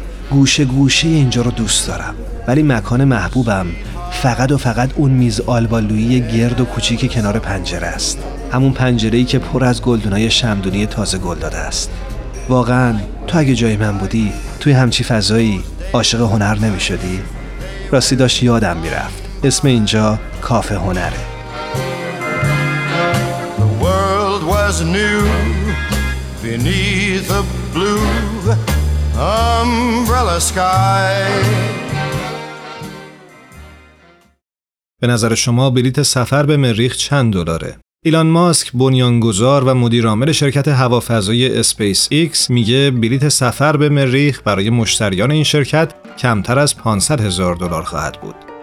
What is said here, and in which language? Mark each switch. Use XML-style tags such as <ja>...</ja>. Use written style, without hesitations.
<fa>گوشه گوشه اینجا رو دوست دارم، ولی مکان محبوبم فقط و فقط اون میز آلبالویی گرد و کوچیک کنار پنجره است. همون پنجرهی که پر از گلدونای شمدونی تازه گل داده است. واقعا تو اگه جای من بودی توی همچی فضایی عاشق هنر نمیشدی؟ راستی داشت یادم میرفت. اسم اینجا کافه هنره.</fa> <en>The world was new beneath a blue umbrella sky.</en> <fa>به نظر شما بلیت سفر به مریخ چند دلاره؟ ایلان ماسک، بنیانگذار و مدیر عامل شرکت هوافضایی اسپیس ایکس، میگه بلیت سفر به مریخ برای مشتریان این شرکت کمتر از 500 هزار دلار خواهد بود.</fa>